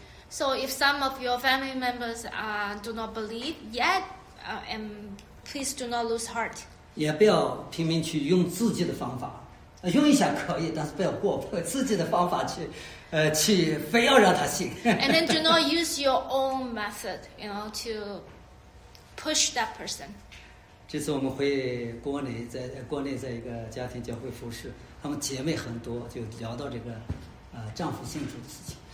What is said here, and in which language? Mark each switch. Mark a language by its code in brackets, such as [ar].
[en] So if some of your family members do not believe yet, please do not lose heart. [zh] 也不要拼命去用自己的方法，用一下可以，但是不要过分，自己的方法去非要让他信。 [en] And then do not use your own method, you know, to push that person. [zh] 这次我们回国内在一个家庭教会服侍，他们姐妹很多，就聊到这个丈夫信主的事情。